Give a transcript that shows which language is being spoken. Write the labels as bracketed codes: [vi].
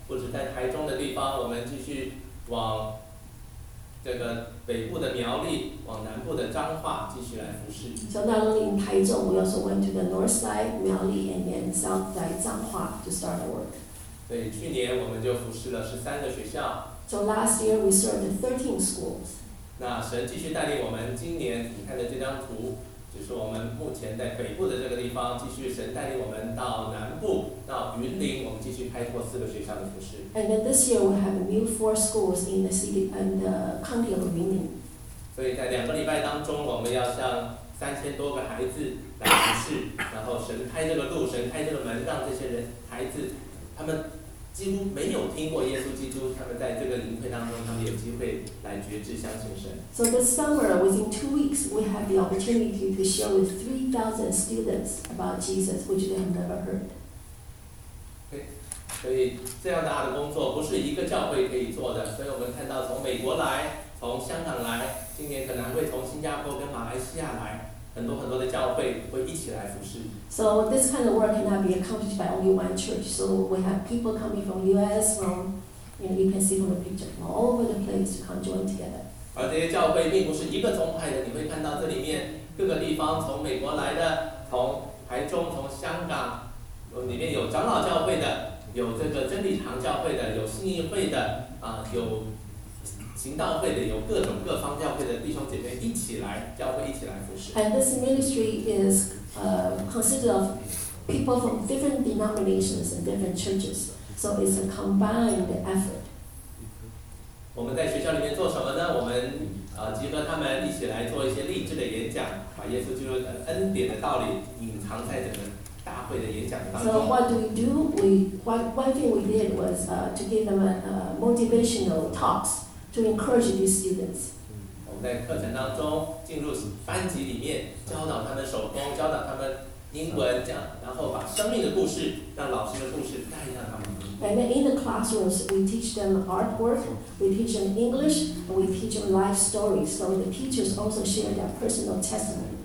[zh] 不止在台中的地方，我们继续往这个北部的苗栗，往南部的彰化继续来服事。 [en] So not only in 台中， we also went to the north side, 苗栗， and then south side, 彰化 to start our work. [zh] 对，去年我们就服事了13个学校。 [en] So last year we served 13 schools. [zh] 那神继续带领我们，今年你看的这张图，就是我们目前在北部的这个地方，继续神带领我们到南部，到云林，我们继续开拓四个学校的服事。 [en] And then this year we have a new 4 schools in the city and the county of 云林。 [zh] 所以在两个礼拜当中，我们要向3000多个孩子来服事，然后神开这个路，神开这个门，让这些人孩子他们几乎没有听过耶稣基督，他们在这个灵会当中，他们有机会来觉知相信神。 [en] So this summer, within 2 weeks, we have the opportunity to share with 3,000 students about Jesus, which they have never heard. [zh] Okay, 所以这样大的工作不是一个教会可以做的。所以我们看到从美国来，从香港来，今年可能会从新加坡跟马来西亚来。很多很多的教会会一起来服侍。 [en] So this kind of work cannot be accomplished by only one church. So we have people coming from U.S. from, you know, you can see from the picture from all over the place to come join together. [zh] 而这些教会并不是一个宗派的，你会看到这里面各个地方从美国来的，从台中，从香港，里面有长老教会的，有这个真理堂教会的，有信义会的，有行道会的，有各种各方教会的弟兄姐妹一起来，教会一起来服侍。 [en] And this ministry is consisted of people from different denominations and different churches, so it's a combined effort. [zh] 我们在学校里面做什么呢？我们集合他们一起来做一些励志的演讲，把耶稣基督的恩典的道理隐藏在整个大会的演讲当中。 [en] So what do we do? One thing we did was to give them a motivational talks. To encourage these students. [zh] 我们在课程当中进入班级里面，教导他们手工，教导他们英文，讲，然后把生命的故事，让老师的故事带上他们。 [en] And then in the classrooms, we teach them artwork, we teach them English, and we teach them life stories. So the teachers also share their personal testimony.